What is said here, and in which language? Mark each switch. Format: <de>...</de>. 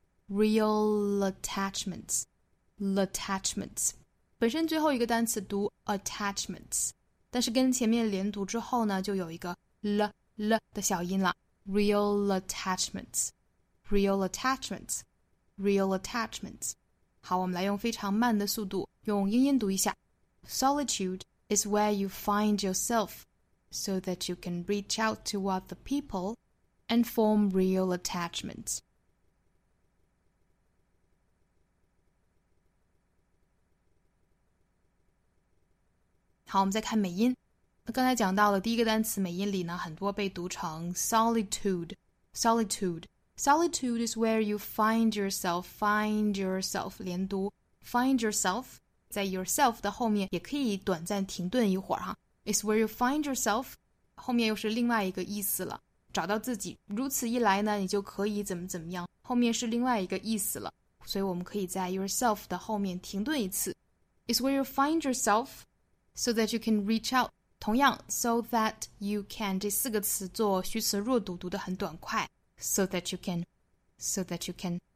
<en>real attachments， attachments，</en> <zh>本身最后一个单词读 attachments， 但是跟前面连读之后呢，就有一个了了的小音了。</zh> <en>real attachments， real attachments， real attachments。</en> <zh>好，我们来用非常慢的速度，用英音读一下。</zh> <en>Solitude is where you find yourself. So that you can reach out to other people and form real attachments.</en> <zh>Okay, 我们再看美音。刚才讲到了第一个单词美音里呢，很多被读成 solitude, solitude.</zh> <en>Solitude is where you find yourself, find yourself.</en> <zh>连读</zh> <en>find yourself,</en> <zh>在 yourself 的后面也可以短暂停顿一会儿哈。</zh> <en>It's where you find yourself.</en> <zh>后面又是另外一个意思了，找到自己。如此一来呢，你就可以怎么怎么样。后面是另外一个意思了，所以我们可以在 yourself 的后面停顿一次。</zh> <en>It's where you find yourself, so that you can reach out.</en> <zh>同样 ，</zh> <en>so that you can</en> <zh>这四个词做虚词弱读，读得很短快。</zh> <en>So that you can, so that you can.</en>